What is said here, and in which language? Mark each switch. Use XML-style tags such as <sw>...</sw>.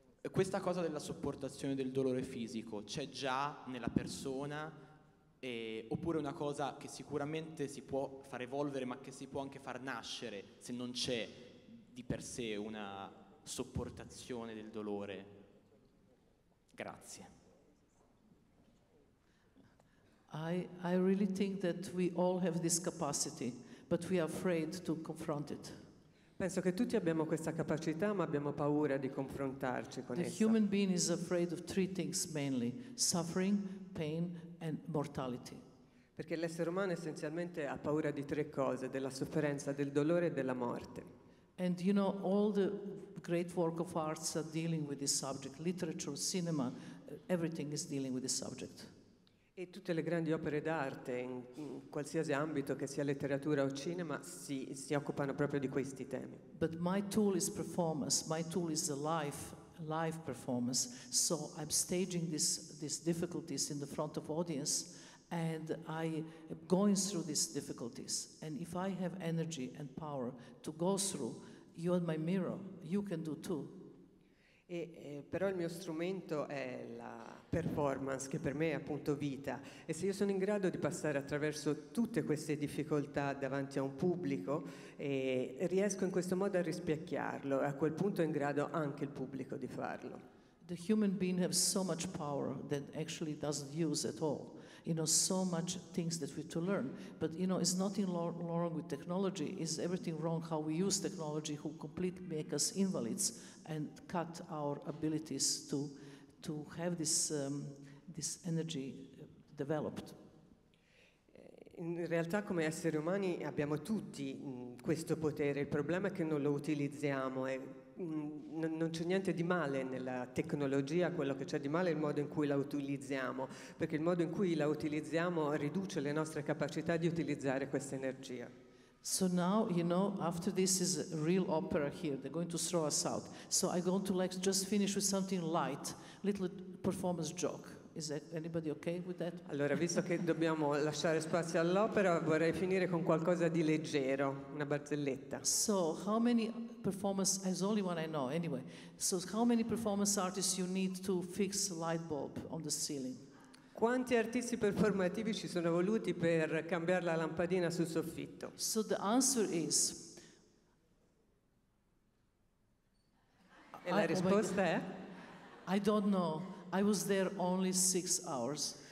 <it>Questa cosa della sopportazione del dolore fisico c'è già nella persona oppure una cosa che sicuramente si può far evolvere ma che si può anche far nascere se non c'è di per sé una sopportazione del dolore? Grazie.</it> <en>I really think that we all have this capacity but we are afraid to confront it.</en> <it>Penso che tutti abbiamo questa capacità, ma abbiamo paura di confrontarci con essa.</it> <en>The human being is afraid of three things mainly: suffering, pain and mortality.</en> <it>Perché l'essere umano essenzialmente ha paura di tre cose: della sofferenza, del dolore e della morte.</it> <en>And you know, all the great work of arts are dealing with this subject: literature, cinema, everything is dealing with this subject.</en> <it>E tutte le grandi opere d'arte, in qualsiasi ambito, che sia letteratura o cinema, si occupano proprio di questi temi.</it> <en>But my tool is performance, my tool is a live performance, so I'm staging these difficulties in the front of audience and I am going through these difficulties. And if I have energy and power to go through, you are my mirror, you can do too.</en> <it>Però il mio strumento è la performance, che per me è appunto vita, e se io sono in grado di passare attraverso tutte queste difficoltà davanti a un pubblico, riesco in questo modo a rispecchiarlo, e a quel punto è in grado anche il pubblico di farlo.</it> <en>The human being has so much power that actually doesn't use at all. You know, so much things that we have to learn. But you know, it's nothing wrong with technology, it's everything wrong how we use technology who completely make us invalids and cut our abilities to have this energy developed.</en> <it>In realtà come esseri umani abbiamo tutti questo potere, il problema è che non lo utilizziamo e non c'è niente di male nella tecnologia, quello che c'è di male è il modo in cui la utilizziamo, perché il modo in cui la utilizziamo riduce le nostre capacità di utilizzare questa energia.</it> <en>So now, you know, after this is a real opera here, they're going to throw us out. So I'm going to like just finish with something light, little performance joke, Is anybody okay with that?</en> <it>Allora, visto che dobbiamo lasciare spazio all'opera, vorrei finire con qualcosa di leggero, una barzelletta.</it> <en>So, how many performance, as only one I know, anyway. So, how many performance artists you need to fix light bulb on the ceiling?</en> <it>Quanti artisti performativi ci sono voluti per cambiare la lampadina sul soffitto?</it> <en>So the answer is.</en> <it>E la risposta è?</it> <en>I don't know. I was there only 6 hours.</en>